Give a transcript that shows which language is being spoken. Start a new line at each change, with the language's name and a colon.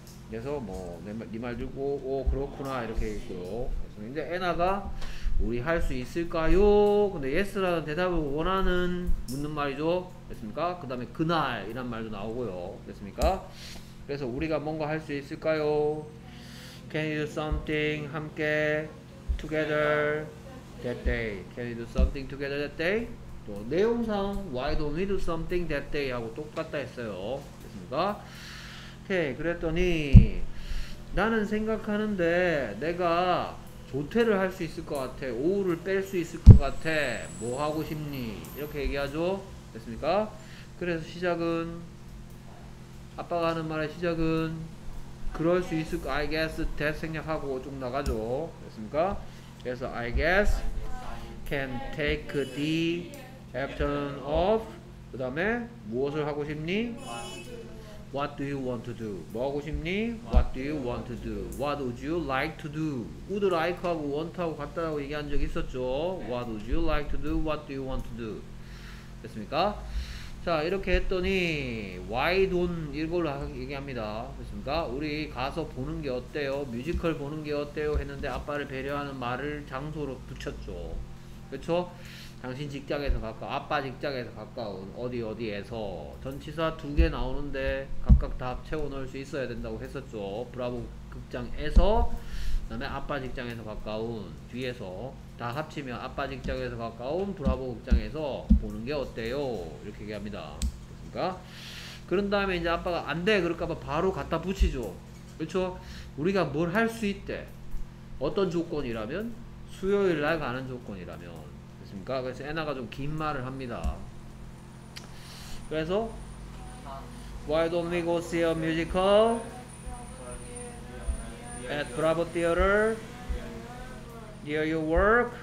Korean: 그래서 뭐 네 말 듣고 오 그렇구나 이렇게 있고요. 그래서 이제 애나가 우리 할 수 있을까요? 근데 yes라는 대답을 원하는 묻는 말이죠. 됐습니까? 그 다음에 그날이란 말도 나오고요. 됐습니까? 그래서 우리가 뭔가 할 수 있을까요?
English: Can you do something 함께 together that day? Can you do something together that day?
Korean: 또 내용상
English: why don't we do something that day
Korean: 하고 똑같다 했어요. 됐습니까? 오케이. 그랬더니 나는 생각하는데 내가 조퇴를 할 수 있을 것 같아. 오후를 뺄 수 있을 것 같아. 뭐 하고 싶니? 이렇게 얘기하죠. 됐습니까? 그래서 시작은 아빠가 하는 말의 시작은 그럴 수 있을 것
English: I guess that
Korean: 생략하고 쭉 나가죠. 됐습니까?
English: 그래서 I guess can take the afternoon off.
Korean: 그 다음에 무엇을 하고 싶니?
English: What do you want to do?
Korean: 뭐 하고 싶니?
English: What do you want to do? What would you like to do? Would like 하고 want
Korean: 하고 같다고 얘기한 적 있었죠?
English: What would you like to do? What do you want to do?
Korean: 됐습니까? 자 이렇게 했더니
English: Why don't
Korean: 이걸로 얘기합니다. 됐습니까? 우리 가서 보는 게 어때요? 뮤지컬 보는 게 어때요? 했는데 아빠를 배려하는 말을 장소로 붙였죠. 그렇죠? 당신 직장에서 가까운, 아빠 직장에서 가까운 어디 어디에서 전치사 두 개 나오는데 각각 다 채워넣을 수 있어야 된다고 했었죠. 브라보 극장에서 그 다음에 아빠 직장에서 가까운 뒤에서 다 합치면 아빠 직장에서 가까운 브라보 극장에서 보는 게 어때요? 이렇게 얘기합니다. 그러니까 그런 다음에 이제 아빠가 안 돼 그럴까봐 바로 갖다 붙이죠. 그렇죠? 우리가 뭘 할 수 있대. 어떤 조건이라면 수요일날 가는 조건이라면 됐습니까? 그래서 애나가 좀 긴 말을 합니다. 그래서
English: Why don't we go see a musical at Bravo Theater near your work?